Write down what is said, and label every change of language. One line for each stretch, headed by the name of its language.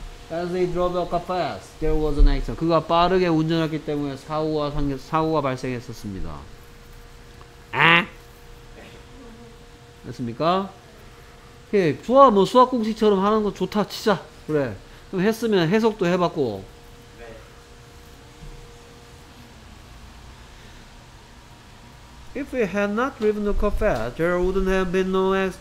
English: As he drove the car fast, there was an accident.
Korean: 그가 빠르게 운전했기 때문에 사고가 발생했었습니다. 아? 됐습니까? 예, 좋아. 뭐 수학 공식처럼 하는 거 좋다 치자. 그래. 그럼 했으면 해석도 해봤고.
English: If we had not driven the cafe, there would have been no X.